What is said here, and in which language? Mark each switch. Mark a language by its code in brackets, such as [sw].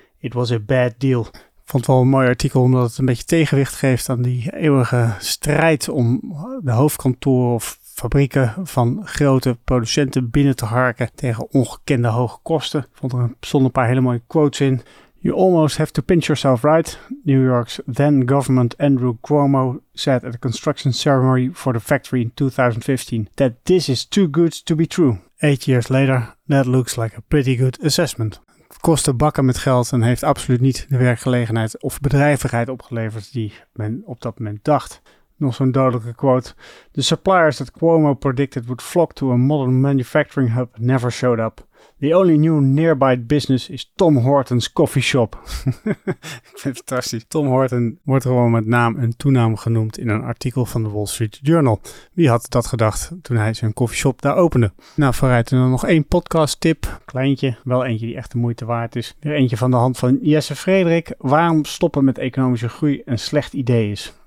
[en] It was a bad deal. [nl] Vond het wel een mooi artikel omdat het een beetje tegenwicht geeft aan die eeuwige strijd om de hoofdkantoren of fabrieken van grote producenten binnen te harken tegen ongekende hoge kosten. Vond er stonden een paar hele mooie quotes in. [en] You almost have to pinch yourself, right? New York's then government Andrew Cuomo said at a construction ceremony for the factory in 2015 that this is too good to be true. 8 years later, that looks like a pretty good assessment. [nl] Kosten bakken met geld en heeft absoluut niet de werkgelegenheid of bedrijvigheid opgeleverd die men op dat moment dacht. Nog zo'n dodelijke quote. [en] The suppliers that Cuomo predicted would flock to a modern manufacturing hub never showed up. The only new nearby business is Tom Horton's coffee shop. [nl] Ik vind het fantastisch. Tom Horton wordt gewoon met naam en toenaam genoemd in een artikel van de Wall Street Journal. Wie had dat gedacht toen hij zijn coffee shop daar opende? Nou, vooruit en dan nog één podcast tip. Kleintje, wel eentje die echt de moeite waard is. Weer eentje van de hand van Jesse Frederik. Waarom stoppen met economische groei een slecht idee is?